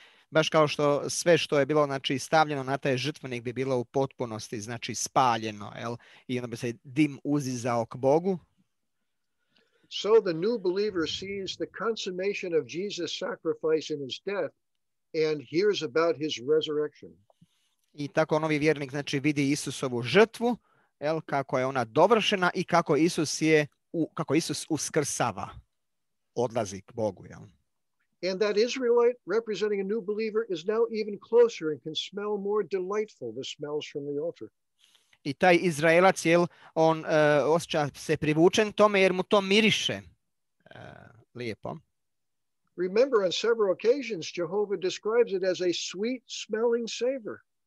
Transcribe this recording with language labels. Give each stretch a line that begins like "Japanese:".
Croatian: Baš kao što sve što je bilo, znači, stavljeno na taj žrtvenik bi bilo u potpunosti, znači, spaljeno, jel? I onda bi se dim uzizao k Bogu.
English: So the new believer sees the consummation of Jesus' sacrifice in his death and hears about his resurrection.
Croatian: I tako novi vjernik, znači, vidi Isusovu žrtvu, jel, kako je ona dovršena i kako Isus je kako Isus uskrsava, odlazi k Bogu, jel?
English: And that Israelite representing a new believer is now even closer and can smell more delightful the smells from the altar.
Croatian: I taj Izraelac, jel, on osjeća se privučen tome jer mu to miriše lijepo.
English: Remember, on several occasions Jehovah describes it as a sweet smelling savor.